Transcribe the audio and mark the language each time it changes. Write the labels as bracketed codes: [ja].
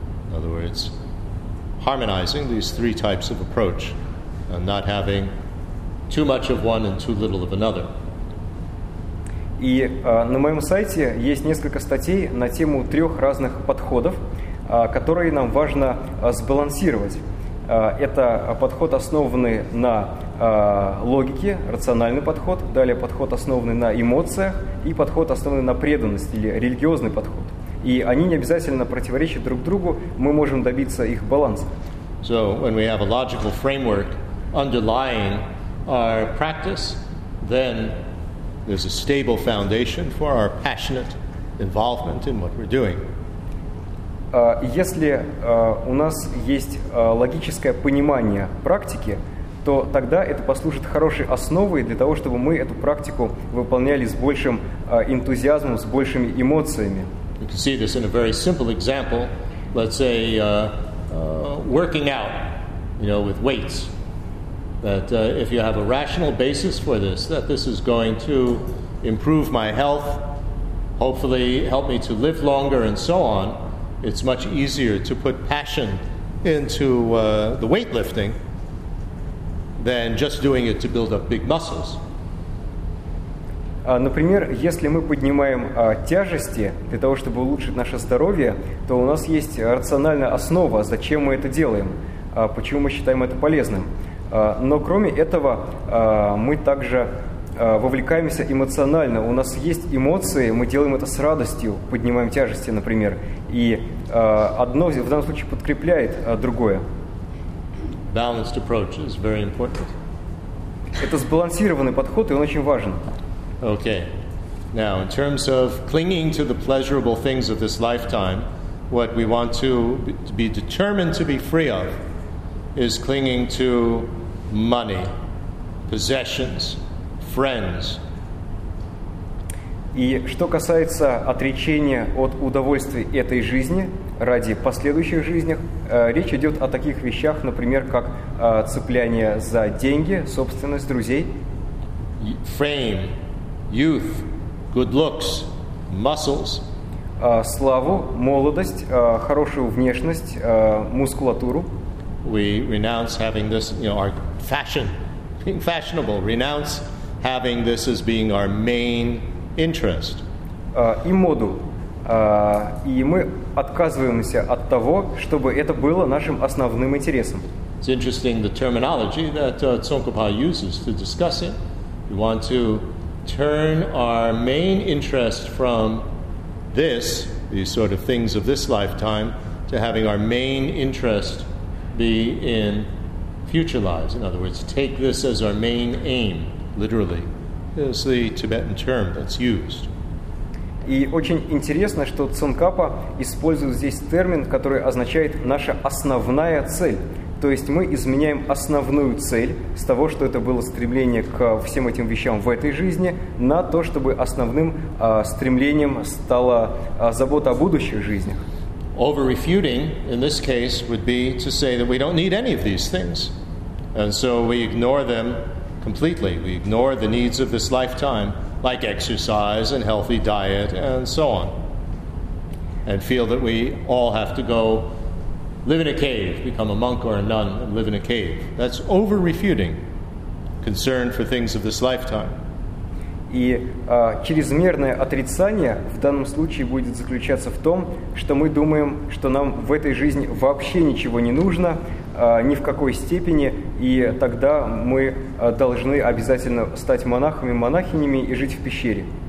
[en] In other words, harmonizing these three types of approach and not having too much of one and too little of another. [ru] И на моем сайте есть несколько статей на тему трех разных подходов, которые нам важно сбалансировать. Это подход, основанный на логике, рациональный подход, далее подход, основанный на эмоциях, и подход, основанный на преданности или религиозный подход. И они не обязательно противоречат друг другу, мы можем добиться их баланса. [en] So, when we have a logical framework underlying our practice, then there's a stable foundation for our passionate involvement in what we're doing. [ru] Если у нас есть логическое понимание практики, то тогда это послужит хорошей основой для того, чтобы мы эту практику выполняли с большим энтузиазмом, с большими эмоциями. [en] You can see this in a very simple example. Let's say working out, you know, with weights. That if you have a rational basis for this, that this is going to improve my health, hopefully help me to live longer and so on, it's much easier to put passion into the weightlifting than just doing it to build up big muscles. [ru] Например, если мы поднимаем тяжести для того, чтобы улучшить наше здоровье, то у нас есть рациональная основа, зачем мы это делаем, почему мы считаем это полезным. Но кроме этого, мы также вовлекаемся эмоционально. У нас есть эмоции, мы делаем это с радостью, поднимаем тяжести, например. И одно в данном случае подкрепляет другое. [en] Balanced approach is very important. [ru] Это сбалансированный подход, и он очень важен. Okay. [en] Now, in terms of clinging to the pleasurable things of this lifetime, what we want to be determined to be free of is clinging to money, possessions, friends. [ru] И что касается отречения от удовольствий этой жизни ради последующих жизней, речь идет о таких вещах, например, как цепляние за деньги, собственность, друзей. [en] Fame, youth, good looks, muscles. [ru] Славу, молодость, хорошую внешность, мускулатуру. [en] We renounce having this, you know, our fashion, being fashionable, renounce having this as being our main interest. [ru] И моду. и мы отказываемся от того, чтобы это было нашим основным интересом. [en] It's interesting the terminology that Tsongkhapa uses to discuss it. We want to turn our main interest from this, these sort of things of this lifetime, to having our main interest be in future lives. In other words, take this as our main aim, literally. It's the Tibetan term that's used. [ru] И очень интересно, что Цонкапа использует здесь термин, который означает наша основная цель. То есть мы изменяем основную цель с того, что это было стремление к всем этим вещам в этой жизни, на то, чтобы основным стремлением стала забота о будущих жизнях. [en] Over-refuting in this case would be to say that we don't need any of these things. And so we ignore them completely. We ignore the needs of this lifetime, like exercise and healthy diet and so on. And feel that we all have to go live in a cave, become a monk or a nun and live in a cave. That's over-refuting concern for things of this lifetime. [ru] И чрезмерное отрицание в данном случае будет заключаться в том, что мы думаем, что нам в этой жизни вообще ничего не нужно, ни в какой степени, и тогда мы должны обязательно стать монахами, монахинями и жить в пещере.